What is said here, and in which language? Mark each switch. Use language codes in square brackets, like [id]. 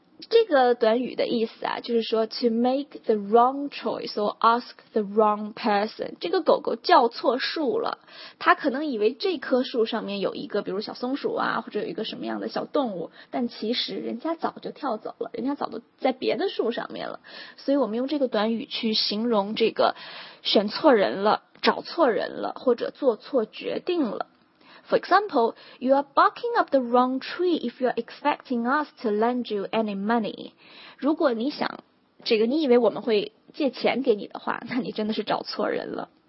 [zh] 这个短语的意思啊，就是说 [en] to make the wrong choice or ask the wrong person， [zh] 这个狗狗叫错树了，它可能以为这棵树上面有一个比如小松鼠啊，或者有一个什么样的小动物，但其实人家早就跳走了，人家早都在别的树上面了。所以我们用这个短语去形容这个选错人了，找错人了，或者做错决定了。 [en] For example, you are barking up the wrong tree if you are expecting us to lend you any money. [zh] 如果你想，这个你以为我们会借钱给你的话，那你真的是找错人了。